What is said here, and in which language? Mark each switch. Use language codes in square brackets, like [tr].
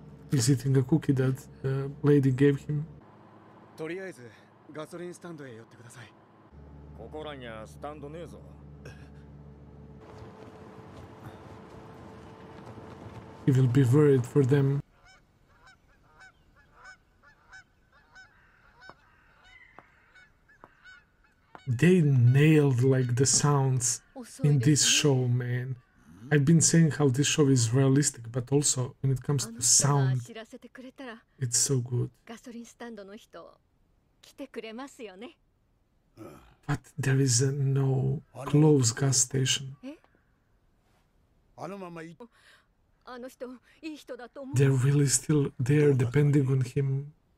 [en] He's eating a cookie that the lady gave him. [ja] とりあえずガソリンスタンドへ寄ってください。ここらにはスタンドねえぞ。 [en] He will be worried for them. They nailed like the sounds in this show, man. I've been saying how this show is realistic, but also when it comes to sound, it's so good. [ja] ガソリンスタンドの人来てくれますよね。 [en] But there is no closed gas station. [ja] あのまま行く。あの人いい人だと思う。 [en] They're really still there, depending on him.